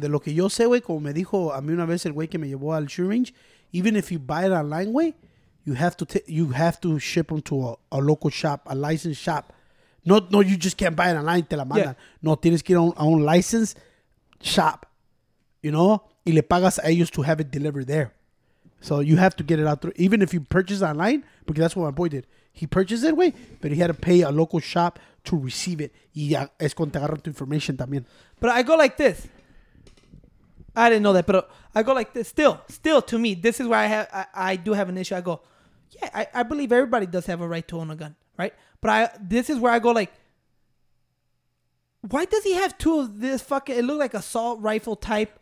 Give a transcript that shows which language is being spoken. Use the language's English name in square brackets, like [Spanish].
[Spanish] De lo que yo sé, güey, como me dijo a mí una vez el güey que me llevó al [English] shooting range, even if you buy it online, güey, you have to ship them to a local shop, a licensed shop. No, you just can't buy it online, [Spanish] te la mandan. [English] Yeah. [Spanish] No, tienes que ir a un [English] license shop, you know? [Spanish] Y le pagas a ellos [English] to have it delivered there. So you have to get it out through. Even if you purchase online, because that's what my boy did. He purchased it, wait, but he had to pay a local shop to receive it. [Spanish] Y ya es cuando te agarran tu information también. [English] But I go like this. I didn't know that, but I go like this. Still, to me, this is where I do have an issue. I go, Yeah, I believe everybody does have a right to own a gun, right? But this is where I go like, why does he have two of this fucking, it looked like assault rifle type.